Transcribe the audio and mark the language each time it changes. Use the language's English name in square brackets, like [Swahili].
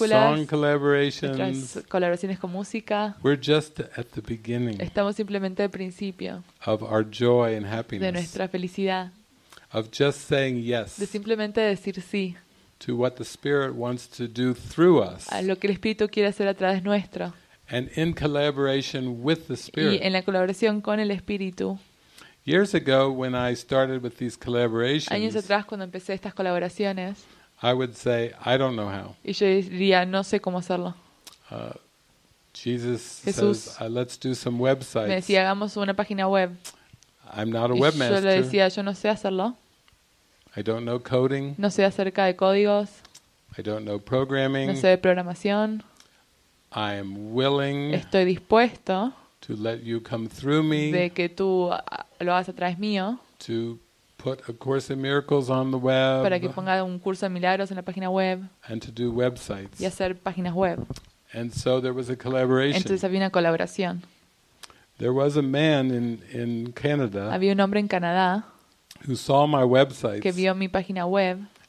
[English] Our song collaborations. [Spanish] Nuestras colaboraciones con música. [English] We're just at the beginning. [Spanish] Estamos simplemente al principio. [English] Of our joy and happiness. [Spanish] De nuestra felicidad. [English] Of just saying yes. [Spanish] De simplemente decir sí. [English] To what the Spirit wants to do through us. [Spanish] A lo que el Espíritu quiere hacer a través nuestro. [English] And in collaboration with the Spirit. [Spanish] Y en la colaboración con el Espíritu. [English] Years ago, when I started with these collaborations, [Spanish] años atrás cuando empecé estas colaboraciones, [English] I would say, I don't know how. [Spanish] Y yo diría, no sé cómo hacerlo. [English] Jesus Jesús says, let's do some websites. [Spanish] Me decía, hagamos una página web. [English] I'm not a webmaster. [Spanish] Yo le decía, yo no sé hacerlo. [English] I don't know coding. [Spanish] No sé acerca de códigos. [English] I don't know programming. [Spanish] No sé de programación. [English] I am willing. [Spanish] Estoy dispuesto. [English] To let you come through me. [Spanish] De que tú lo hagas a través mío. [English] To put a course in miracles on the web. [Spanish] Para que ponga un curso de milagros en la página web. [English] And to do websites. [Spanish] Y hacer páginas web. [English] And so there was a collaboration. [Spanish] Entonces había una colaboración. [English] There was a man in Canada. [Spanish] Había un hombre en Canadá. [English] Who saw my website? [Spanish] Que vio mi página web.